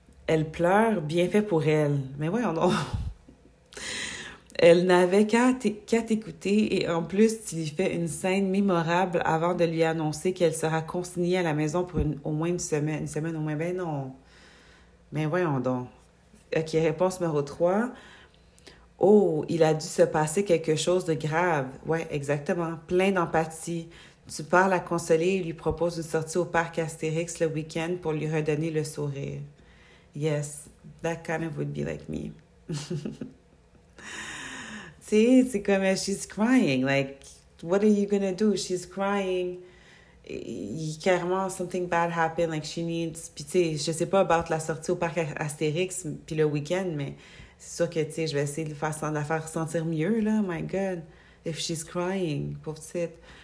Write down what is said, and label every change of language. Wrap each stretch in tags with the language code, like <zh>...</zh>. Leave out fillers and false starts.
<fr>Elle pleure, bien fait pour elle. Ben, voyons donc. Elle n'avait qu'à t'écouter et en plus, tu lui fais une scène mémorable avant de lui annoncer qu'elle sera consignée à la maison pour une semaine au moins. Ben non. Ben voyons donc. OK, réponse numéro 3. Oh, il a dû se passer quelque chose de grave. Ouais, exactement. Plein d'empathie. Tu parles à consoler et lui propose une sortie au parc Astérix le week-end pour lui redonner le sourire.</fr> <en>Yes, that kind of would be like me.</en> <fr>C'est comme,</fr> <en>she's crying, like, what are you gonna do? She's crying,</en> <fr>clairement,</fr> <en>something bad happened, like, she needs,</en> <fr>puis tu sais, je sais pas</fr> <en>about</en> <fr>la sortie au parc Astérix, puis le week-end, mais c'est sûr que, tu sais, je vais essayer de la faire sentir mieux, là,</fr> <en>my God, if she's crying,</en> <fr>pauvre petite.</fr>